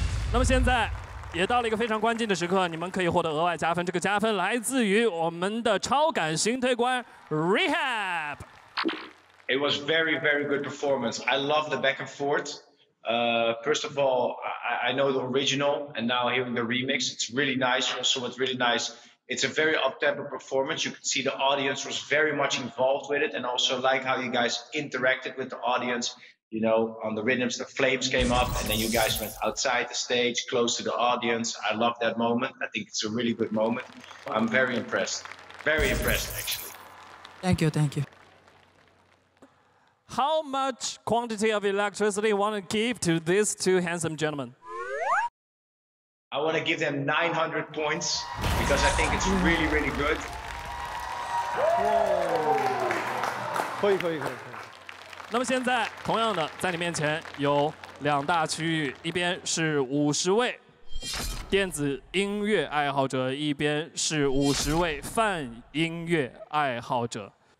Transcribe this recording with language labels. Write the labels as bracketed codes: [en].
[zh] 那么现在也到了一个非常关键的时刻，你们可以获得额外加分，这个加分来自于我们的超感星推官 Rehab。 [en] It was very very good performance. I love the back and forth. First of all, I know the original and now hearing the remix, it's really nice. Also what's really nice, it's a very up-tempo performance. You could see the audience was very much involved with it, and also like how you guys interacted with the audience. You know, on the rhythms, the flames came up, and then you guys went outside the stage, close to the audience. I love that moment. I think it's a really good moment. I'm very impressed. Very impressed, actually. Thank you, thank you. How much quantity of electricity you want to give to these two handsome gentlemen? I want to give them 900 points, because I think it's really, really good. Whoa. [zh] 可以。那么现在同样的在你面前有两大区域，一边是50位电子音乐爱好者，一边是50位泛音乐爱好者。